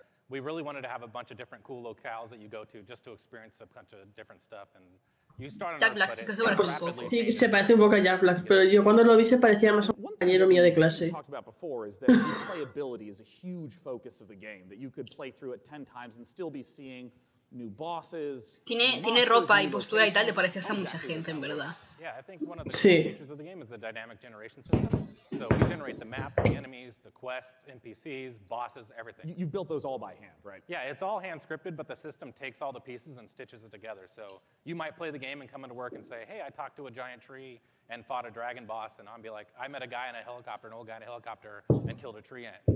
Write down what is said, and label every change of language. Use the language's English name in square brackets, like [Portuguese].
[English] We really wanted to have a bunch of different cool locales that you go to just to experience a bunch of different stuff and you start on Jack Black, [Spanish] pues, sí, se parece un poco a Jack Black, pero yo cuando lo vi se parecía más a un compañero mío de clase. [English] Playability is a huge focus of the game that you could play through it 10 times and still be seeing new bosses. [Spanish] Tiene ropa y postura y tal de parecerse a mucha gente en verdad. [English] Yeah, I think one of the [Spanish] sí. [English] Features of the game is the dynamic generation system. So we generate the maps, the enemies, the quests, NPCs, bosses, everything. You built those all by hand, right? Yeah, it's all hand scripted, but the system takes all the pieces and stitches it together. So you might play the game and come into work and say, hey, I talked to a giant tree and fought a dragon boss, and I'd be like, I met a guy in a helicopter, an old guy in a helicopter, and killed a tree ant.